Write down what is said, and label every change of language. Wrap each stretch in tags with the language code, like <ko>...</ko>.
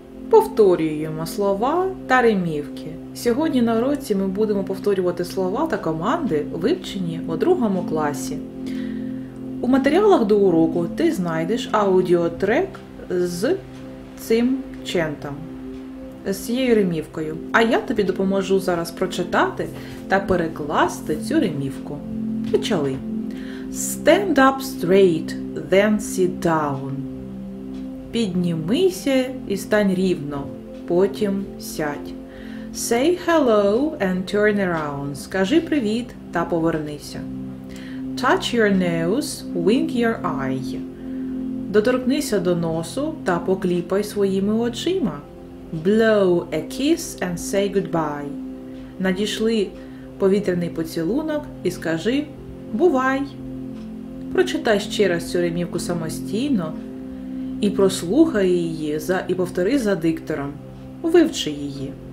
<uk>Повторюємо слова та римівки. Сьогодні на уроці ми будемо повторювати слова та команди, вивчені у 2 класі. У матеріалах до уроку ти знайдеш аудіотрек з цим чентом, з цією римівкою. А я тобі допоможу зараз прочитати та перекласти цю римівку. Почали.</uk> <en>Stand up straight, then sit down.</en> <uk>Піднімися і стань рівно, потім сядь.</uk> <en>Say hello and turn around.</en> <uk>Скажи привіт та повернися.</uk> <en>Touch your nose, wink your eye.</en> <uk>Доторкнися до носу та покліпай своїми очима.</uk> <en>Blow a kiss and say goodbye.</en> <uk>Надішли повітряний поцілунок і скажи «бувай». Прочитай ще раз цю римівку самостійно і прослухай її і повтори за диктором. Вивчи її.</uk>